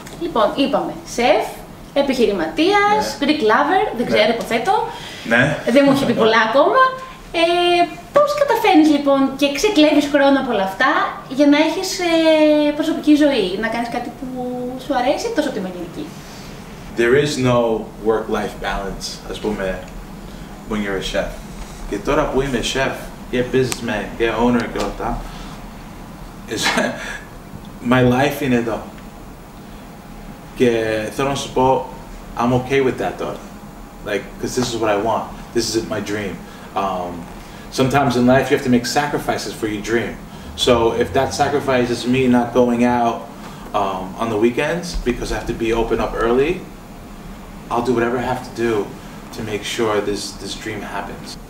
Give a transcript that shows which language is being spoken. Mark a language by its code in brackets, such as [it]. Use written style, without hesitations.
[el] Λοιπόν, είπαμε σεφ, επιχειρηματίας, ναι. Greek lover, δεν ξέρω, ναι. Υποθέτω. Ναι. Δεν μου έχει πει πολλά ακόμα. Πώς καταφέρνεις λοιπόν και ξεκλέβεις χρόνο από όλα αυτά για να έχεις προσωπική ζωή, να κάνεις κάτι που σου αρέσει τόσο από τη μαγειρική? [en] There is no work-life balance, [el] ας πούμε. [en] When you're a chef. [el] Και τώρα που είμαι chef, και businessman, και owner και όλα αυτά, [en] my life [el] είναι εδώ. Και θέλω να σου πω, [en] I'm okay with that though. Like, because this is what I want. This is my dream. Sometimes in life you have to make sacrifices for your dream. So if that sacrifice is me not going out on the weekends because I have to be open up early, I'll do whatever I have to do to make sure this dream happens.